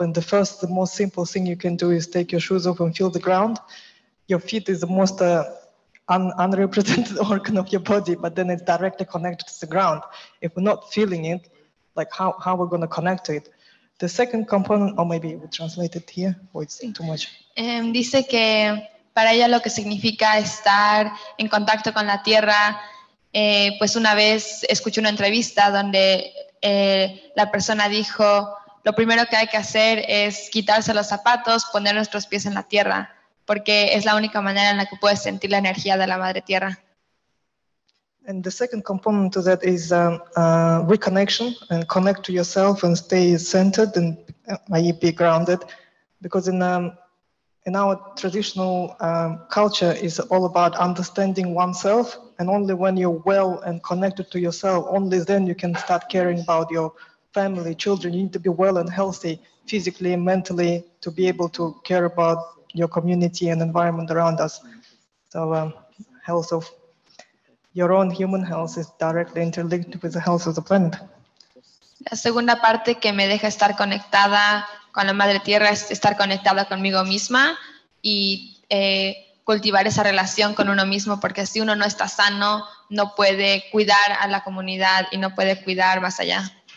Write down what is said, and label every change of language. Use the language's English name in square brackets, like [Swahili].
[English] And the first, the most simple thing you can do is take your shoes off and feel the ground. Your feet is the most unrepresented organ of your body, but then it's directly connected to the ground. If we're not feeling it, like how we're going to connect to it? The second component, or maybe we translate it here, or it's too much. [Spanish] Dice que para ella lo que significa estar en contacto con la tierra. Pues una vez escuché una entrevista donde la persona dijo, lo primero que hay que hacer es quitarse los zapatos, poner nuestros pies en la tierra, porque es la única manera en la que puedes sentir la energía de la madre tierra. [English] And the second component to that is reconnection and connect to yourself and stay centered and be grounded, because in our traditional culture is all about understanding oneself. And only when you're well and connected to yourself, only then you can start caring about your family, children. You need to be well and healthy physically and mentally to be able to care about your community and environment around us. So health of your own human health is directly interlinked with the health of the planet. [Spanish] La segunda parte que me deja estar conectada con la madre tierra es estar conectada conmigo misma y cultivar esa relación con uno mismo, porque si uno no está sano, no puede cuidar a la comunidad y no puede cuidar más allá.